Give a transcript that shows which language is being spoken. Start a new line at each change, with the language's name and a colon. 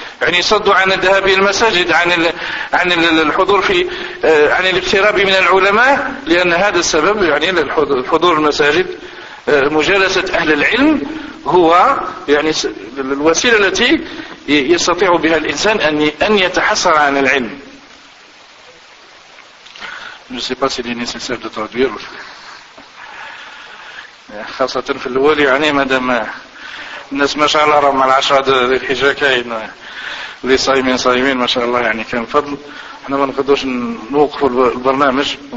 Arabic: يعني يصد عن الذهاب إلى المساجد، عن الحضور في، عن الاقتراب من العلماء، لأن هذا السبب يعني الحضور المساجد مجالسة أهل العلم هو يعني الوسيلة التي يستطيع بها الإنسان أن يتحصر عن العلم.
French: Je ne sais pas s'il est nécessaire de traduire.
Arabic: خاصة في الأول يعني مادام الناس ما شاء الله راهم على 10 ذي الحجة كاين اللي صايمين صايمين ما شاء الله، يعني كان فضل. احنا ما نقدروش نوقفوا البرنامج.